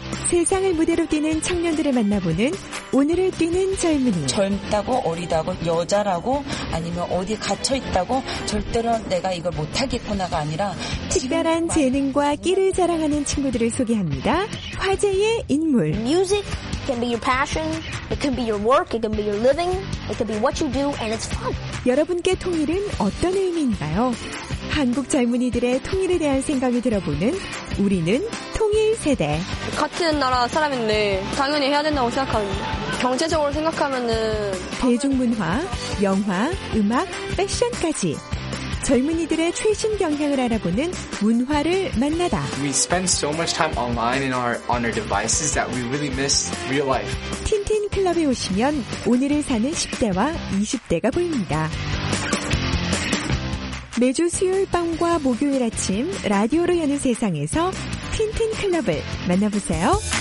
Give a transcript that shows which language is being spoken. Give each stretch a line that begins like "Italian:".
Korean: 세상을 무대로 뛰는 청년들을 만나보는 오늘을 뛰는 젊은이. 젊다고 어리다고 여자라고 아니면 어디 갇혀있다고 절대로 내가 이걸 못하겠구나가 아니라 특별한 재능과 끼를 자랑하는 친구들을 소개합니다. 화제의 인물.
English: Music can be your passion, it can be your work, it can be your living, it can be what you do and it's fun.
Korean: 여러분께 통일은 어떤 의미인가요? 한국 젊은이들의 통일에 대한 생각을 들어보는 우리는 통일세대. 같은 나라 사람인데 당연히 해야 된다고 생각합니다. 경제적으로 생각하면은 대중문화, 영화, 음악, 패션까지 젊은이들의 최신 경향을 알아보는 문화를 만나다.
English: We spend so much time online on our devices that we really miss real life.
Korean: 틴틴 클럽에 오시면 오늘을 사는 10대와 20대가 보입니다. 매주 수요일 밤과 목요일 아침 라디오로 여는 세상에서 틴틴 클럽을 만나보세요.